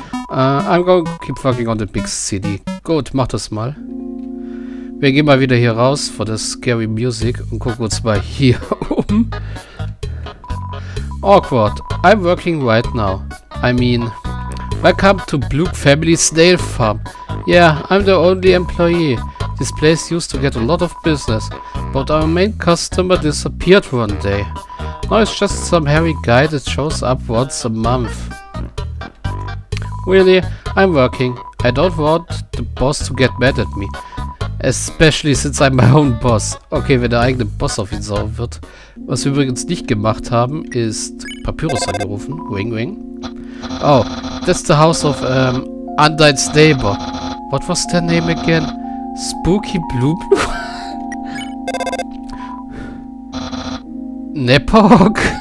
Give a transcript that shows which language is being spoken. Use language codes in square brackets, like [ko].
[en] I'm going to keep working on the big CD. [de] Gut, mach das mal. Wir gehen mal wieder hier raus vor der Scary Music und gucken uns mal hier um. [en] Awkward. I'm working right now. I mean, welcome to Blue Family Snail Farm. Yeah, I'm the only employee. This place used to get a lot of business, but our main customer disappeared one day. Now it's just some hairy guy that shows up once a month. Really, I'm working. I don't want the boss to get mad at me. Especially since I'm my own boss. [de] Okay, wenn der eigene Boss auf ihn sauer wird. Was wir übrigens nicht gemacht haben, ist Papyrus angerufen. [en] Wing, wing. Oh, that's the house of Undyne's neighbor. What was their name again? Spooky Blue Blue? Nepok?